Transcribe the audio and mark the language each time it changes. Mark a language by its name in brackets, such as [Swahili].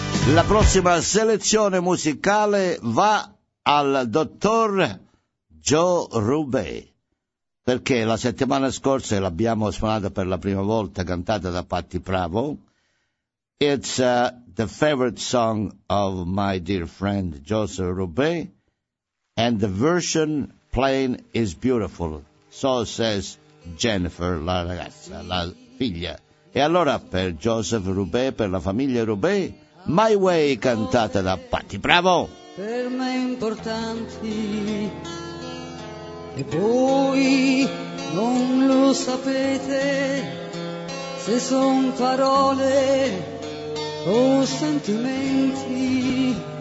[Italian] La prossima selezione musicale va al dottor Joe Rubé, perché la settimana scorsa l'abbiamo suonata per la prima volta, cantata da Patti Pravo. [English] It's the favorite song of my dear friend Joseph Rubé, and the version playing is beautiful. So says Jennifer, [Italian] la ragazza, la figlia. E allora per Joseph Rubé, per la famiglia Rubé, My Way, cantata da Patti Pravo. Per me importanti, e voi non lo sapete se son parole o sentimenti,